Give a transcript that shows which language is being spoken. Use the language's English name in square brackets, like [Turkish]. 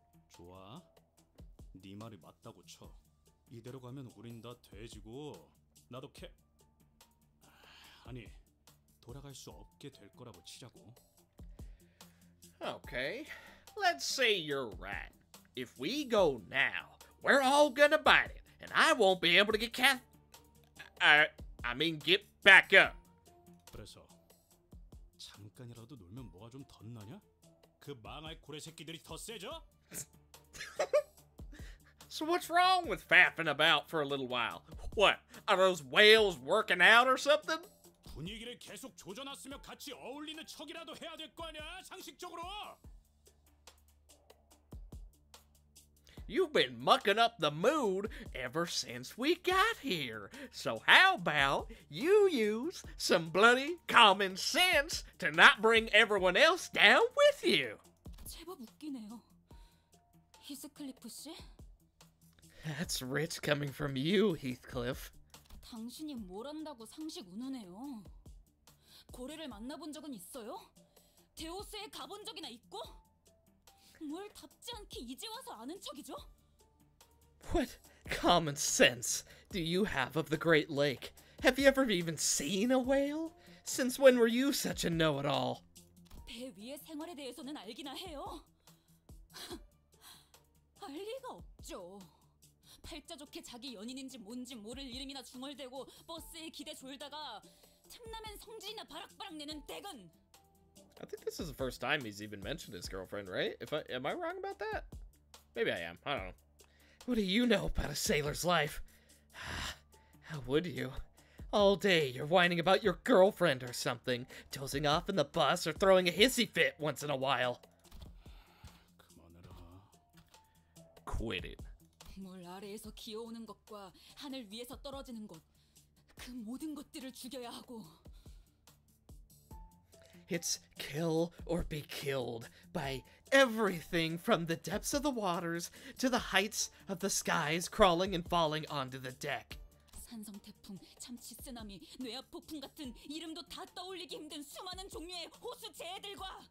[Korean] 좋아. 네 말이 맞다고 쳐. 이대로 가면 우린 다 돼지고 나도 캐... 아니, 돌아갈 수 없게 될 거라고 치자고. [English] Okay. Let's say you're right. If we go now, we're all gonna bite it, and I won't be able to get get back up. [Korean] 그래서 잠깐이라도 놀면 뭐가 좀 덧나냐? 그 망할 고래 새끼들이 더 세져? [English] So what's wrong with faffing about for a little while? What? Are those whales working out or something? [Korean] 분위기를 계속 조져놨으면 같이 어울리는 척이라도 해야 될 거 아니야, 상식적으로. [English] You've been mucking up the mood ever since we got here. So how about you use some bloody common sense to not bring everyone else down with you? [Korean] 제법 웃기네요. 히스클리프 씨? [English] That's rich coming from you, Heathcliff. [Korean] 당신이 뭘 안다고 상식 운운해요. 고래를 만나본 적은 있어요? 데오스에 가본 적이나 있고? 뭘 답지 않게 이제 와서 아는 척이죠? [English] What common sense do you have of the Great Lake? Have you ever even seen a whale? Since when were you such a know-it-all? [Korean] 배 위의 생활에 대해서는 알기나 해요. 알 리가 없죠. 팔자 좋게 자기 연인인지 뭔지 모를 이름이나 중얼대고 버스에 기대 졸다가 틈나면 성질이나 바락바락 내는 댁은. [English] I think this is the first time he's even mentioned his girlfriend, right? Am I wrong about that? Maybe I am. I don't know. What do you know about a sailor's life? How would you? All day you're whining about your girlfriend or something, dozing off in the bus or throwing a hissy fit once in a while. Come on, Aruha. Quit it. [Korean] 물 아래에서 기어오는 것과 하늘 위에서 떨어지는 것, 그 모든 것들을 죽여야 하고. [English] It's kill or be killed by everything from the depths of the waters to the heights of the skies crawling and falling onto the deck. [Korean] 산성 태풍, 참치 쓰나미, 뇌압 폭풍 같은 이름도 다 떠올리기 힘든 수많은 종류의 호수 재해들과